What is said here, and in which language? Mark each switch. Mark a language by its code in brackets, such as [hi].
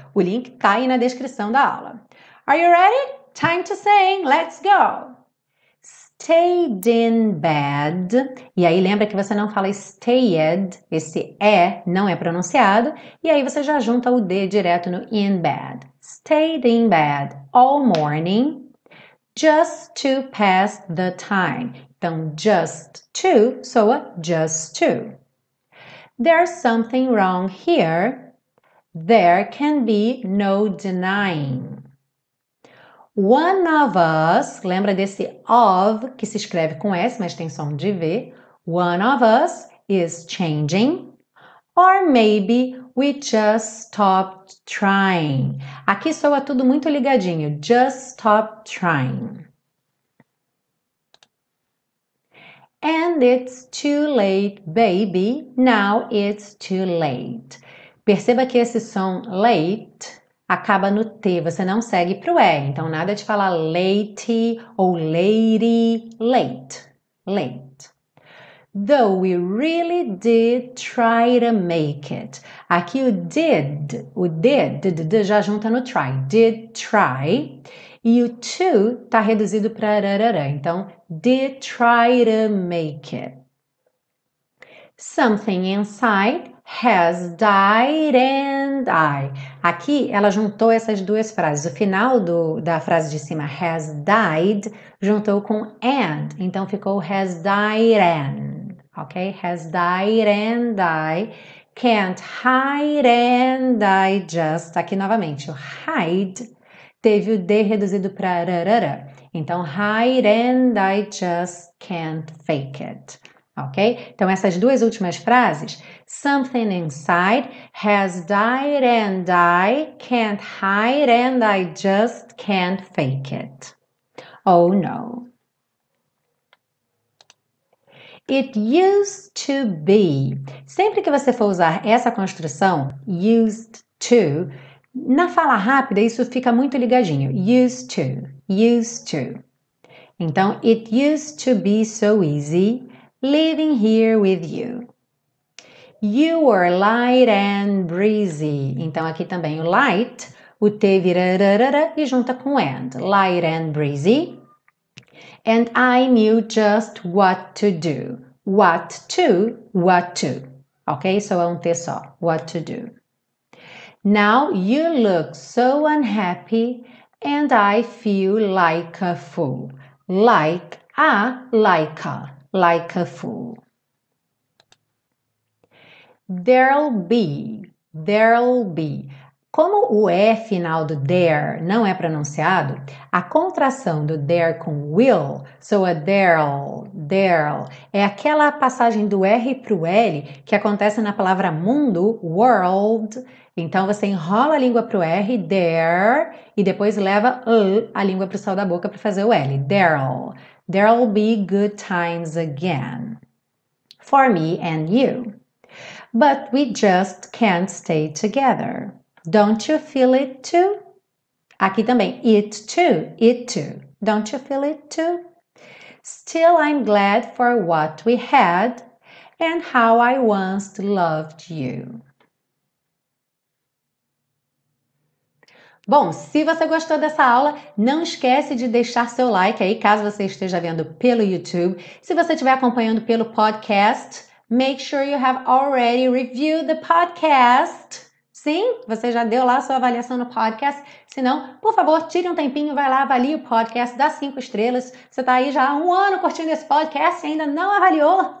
[pt] O link está aí na descrição da aula. [en] Are you ready? Time to sing! Let's go! Stayed in bed. [pt] E aí lembra que você não fala stayed, esse E não é pronunciado. E aí você já junta o D direto no [en] in bed. Stayed in bed all morning just to pass the time. [pt] Então [en] just to soa just to. There's something wrong here. There can be no denying. One of us, [pt] lembra desse of, que se escreve com S, mas tem som de V. [en] One of us is changing. Or maybe we just stopped trying. [pt] Aqui soa tudo muito ligadinho. [en] Just stop trying. And it's too late, baby. Now it's too late. [pt] Perceba que esse som late acaba no T, você não segue pro E. Então, nada de falar late ou lady, late, late. [en] Though we really did try to make it. [pt] Aqui o did, já junta no try. [en] Did try. [pt] E o to tá reduzido pra rarara. [en] Então, did try to make it. Something inside has died and I. [pt] Aqui ela juntou essas duas frases. O final da frase de cima, [en] has died, [pt] juntou com and. Então ficou [en] has died and. Ok? Has died and I. Can't hide and I just. [pt] Aqui novamente, o hide teve o D reduzido para rarara. [en] Então hide and I just can't fake it. Ok? [pt] Então, essas duas últimas frases. [en] Something inside has died and I can't hide and I just can't fake it. Oh, no. It used to be. [pt] Sempre que você for usar essa construção, [en] used to, [pt] na fala rápida, isso fica muito ligadinho. [en] Used to, used to. Então, it used to be so easy living here with you. You were light and breezy. [pt] Então, aqui também o light, o T vira rarara e junta com and. [en] Light and breezy. And I knew just what to do. What to, what to. Ok? [pt] Só é um T só. [en] What to do. Now you look so unhappy and I feel like a fool. Like a, like a. Like a fool. There'll be. There'll be. [pt] Como o E final do there não é pronunciado, a contração do there com will soa there'll, there'll. É aquela passagem do R para o L que acontece na palavra mundo, world. Então você enrola a língua para o R, there, e depois leva a língua para o sol da boca para fazer o L, there'll. [en] There'll be good times again for me and you. But we just can't stay together. Don't you feel it too? [pt] Aqui também, [en] it too, it too. Don't you feel it too? Still I'm glad for what we had and how I once loved you. [pt] Bom, se você gostou dessa aula, não esquece de deixar seu like aí, caso você esteja vendo pelo YouTube. Se você estiver acompanhando pelo podcast, [en] make sure you have already reviewed the podcast. [pt] sim, você já deu lá a sua avaliação no podcast. Se não, por favor, tire um tempinho, vai lá, avalie o podcast, dá 5 estrelas. Você está aí já há 1 ano curtindo esse podcast e ainda não avaliou?